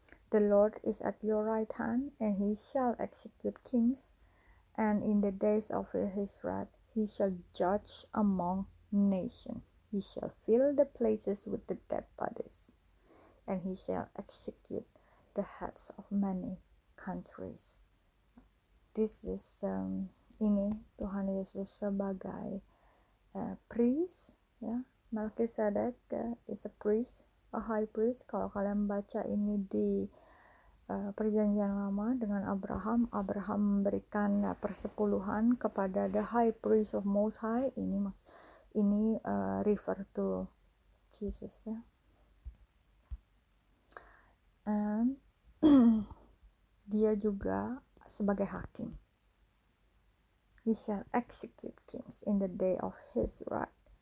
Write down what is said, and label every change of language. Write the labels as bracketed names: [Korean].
[English] The Lord is at your right hand, and he shall execute kings, and in the days of his wrath, he shall judge among nations. He shall fill the places with the dead bodies, and he shall execute the heads of many countries. This is [Indonesian] ini Tuhan Yesus sebagai priest, ya. [English] Melchizedek is a priest, a high priest. [Indonesian] Kalau kalian baca ini di Perjanjian Lama dengan Abraham, Abraham memberikan persepuluhan kepada [English] the high priest of Most High. [Indonesian] Ini [English] refer to Jesus, ya. And [Indonesian] dia juga sebagai hakim. [English] He shall execute kings in the day of his wrath.